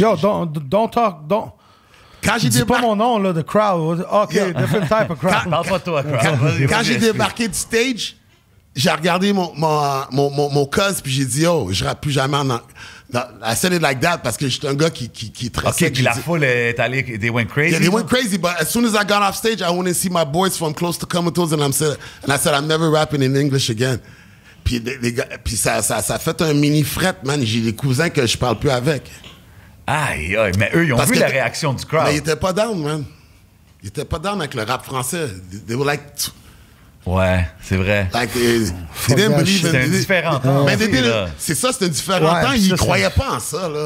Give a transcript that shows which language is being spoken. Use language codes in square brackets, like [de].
[en] Yo, don't talk. [fr] Quand j'ai dis pas mon nom, là, [en] the crowd. OK, yeah. Different type of crowd. [fr] Parle pas toi, crowd. Quand j'ai débarqué du stage, j'ai regardé mon cousin, puis j'ai dit, oh, je rappe plus jamais en... Non, [en] I said it like that [fr] parce que j'étais un gars qui est très sick. OK, puis la foule est allée, [en] they went crazy. Yeah, they went crazy, but as soon as I got off stage, I went and see my boys from Close to Comatose and I said, I'm never rapping in English again. [fr] Puis ça fait un mini fret, man. J'ai des cousins que je parle plus avec. Aïe, aïe, mais eux, ils ont parce vu la réaction du crowd. Mais ils étaient pas down, man. Ils étaient pas down avec le rap français. [en] They were like... [fr] Ouais, c'est vrai. [en] Like, they didn't believe [fr] in... C'est un différent temps. Mais c'est un différent temps. Ouais, ils croyaient pas en ça. Là.